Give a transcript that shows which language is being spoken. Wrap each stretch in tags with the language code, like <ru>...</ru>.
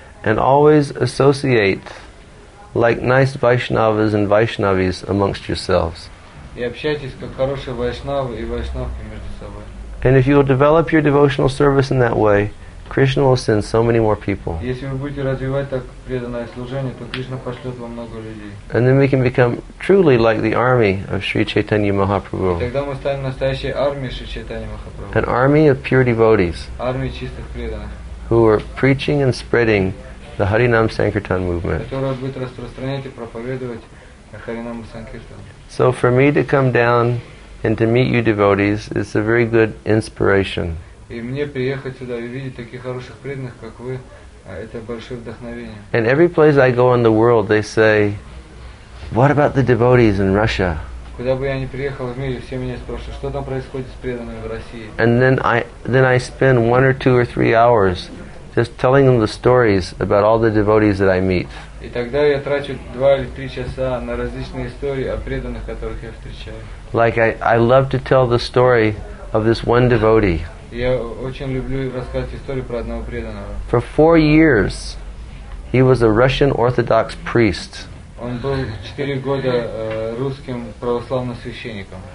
<en>And always associate like nice Vaishnavas and Vaishnavis amongst yourselves.</en> <ru>И общайтесь как хорошие вайшнавы и вайшнавки между собой.</ru> <en>And if you will develop your devotional service in that way, Krishna will send so many more people.</en> <ru>Если вы будете развивать так преданное служение, то Кришна пошлет вам много людей.</ru> <en>And then we can become truly like the army of Sri Chaitanya Mahaprabhu.</en> <ru>И тогда мы станем настоящей армией Шри Чайтаньи Махапрабху.</ru> <en>An army of pure devotees.</en> <ru>Армия чистых преданных.</ru> <en>Who are preaching and spreading the Harinam Sankirtan movement.</en> <ru>Которая будет распространять и проповедовать Харинам Санкиртан.</ru> <en>So for me to come down and to meet you devotees is a very good inspiration.</en> <ru>И мне приехать сюда и видеть таких хороших преданных, как вы, это большое вдохновение.</ru> <en>And every place I go in the world, they say, "What about the devotees in Russia?"</en> <ru>Куда бы я ни приехал в мире, все меня спрашивают, что там происходит с преданными в России.</ru> <en>And then I spend 1 or 2 or 3 hours just telling them the stories about all the devotees that I meet.</en> <ru>И тогда я трачу 2 или 3 часа на различные истории о преданных, которых я встречаю.</ru> <en>Like I love to tell the story of this one devotee.</en> <ru>Я очень люблю рассказывать историю про одного преданного.</ru> <en>For 4 years, he was a Russian Orthodox priest.</en> <ru>Он был 4 года русским православным священником.</ru>